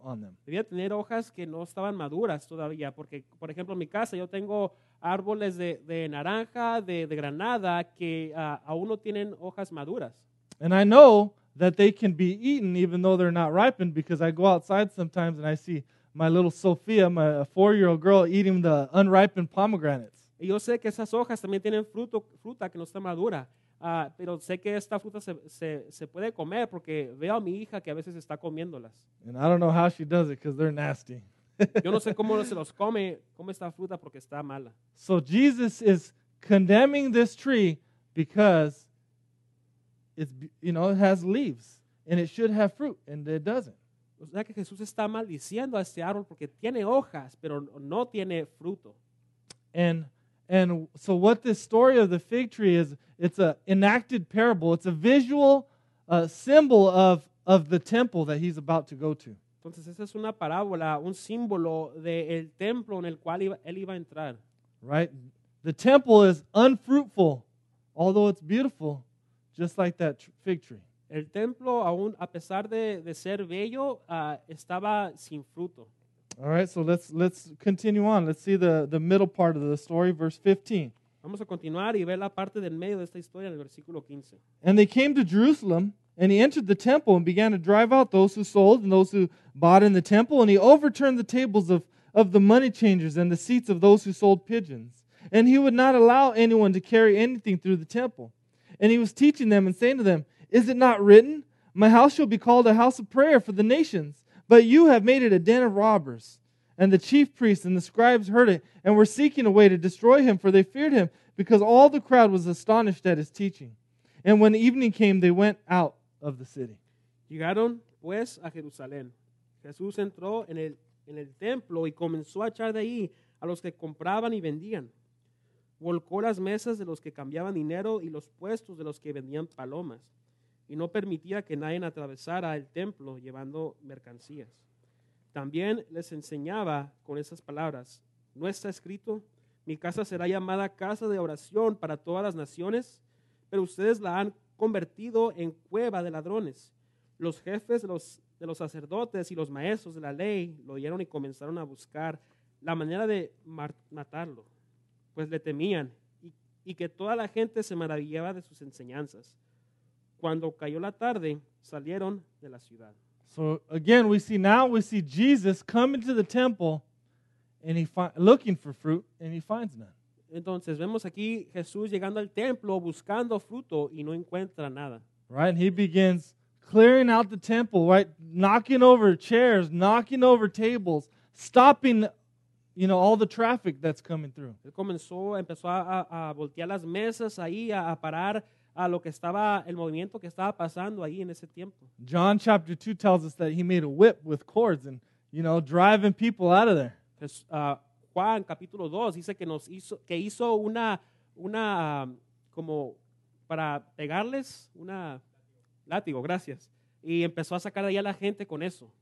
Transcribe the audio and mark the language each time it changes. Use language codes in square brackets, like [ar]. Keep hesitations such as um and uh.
[en] on them. [es] Debía tener hojas que no estaban maduras todavía, porque, por ejemplo, en mi casa yo tengo árboles de, de naranja, de, de granada, que uh, aún no tienen hojas maduras. [en] And I know that they can be eaten even though they're not ripened because I go outside sometimes and I see my little Sophia, my four-year-old girl, eating the unripened pomegranates. [es] yo sé que esas hojas también tienen fruto, fruta que no está madura, uh, pero sé que esta fruta se, se, se puede comer porque veo a mi hija que a veces está comiéndolas. [en] And I don't know how she does it because they're nasty. [es] yo no sé cómo se los come, come esta fruta porque está mala. [en] So Jesus is condemning this tree because it's, you know it has leaves and it should have fruit and it doesn't. [es] O sea que Jesús está maldiciendo a este árbol porque tiene hojas pero no tiene fruto. [en] And and so what this story of the fig tree is it's an enacted parable it's a visual uh, symbol of of the temple that he's about to go to. [es] Entonces esa es una parábola un símbolo de el templo en el cual iba, él iba a entrar. [en] Right? The temple is unfruitful although it's beautiful just like that fig tree. [es] El templo, aún a pesar de, de ser bello, uh, estaba sin fruto. [en] All right, so let's let's continue on. Let's see the the middle part of the story, verse 15. [es] Vamos a continuar y ver la parte del medio de esta historia en el versículo 15. [en] And they came to Jerusalem, and he entered the temple and began to drive out those who sold and those who bought in the temple, and he overturned the tables of of the money changers and the seats of those who sold pigeons. And he would not allow anyone to carry anything through the temple and he was teaching them and saying to them, Is it not written, My house shall be called a house of prayer for the nations, but you have made it a den of robbers? And the chief priests and the scribes heard it and were seeking a way to destroy him, for they feared him, because all the crowd was astonished at his teaching. And when evening came, they went out of the city. [es] Llegaron pues a Jerusalem. Jesús entró en el, en el templo y comenzó a echar de ahí a los que compraban y vendían. volcó las mesas de los que cambiaban dinero y los puestos de los que vendían palomas, y no permitía que nadie atravesara el templo llevando mercancías. También les enseñaba con esas palabras, no está escrito, mi casa será llamada casa de oración para todas las naciones, pero ustedes la han convertido en cueva de ladrones. Los jefes de los, de los sacerdotes y los maestros de la ley lo oyeron y comenzaron a buscar la manera de matarlo pues le temían y, y, que toda la gente se maravillaba de sus enseñanzas. Cuando cayó la tarde, salieron de la ciudad. [en] So again, we see now we see Jesus coming to the temple and he find, looking for fruit and he finds none. [es] Entonces vemos aquí Jesús llegando al templo buscando fruto y no encuentra nada. [en] Right, and he begins clearing out the temple, right, knocking over chairs, knocking over tables, stopping you know, all the traffic that's coming through. John chapter 2 tells us that he made a whip with cords and, you know, driving people out of there. [es] Pues, uh, Juan capítulo 2 dice que nos hizo, que hizo una, una, como para pegarles una látigo, gracias. Y empezó a sacar de ahí a la gente con eso.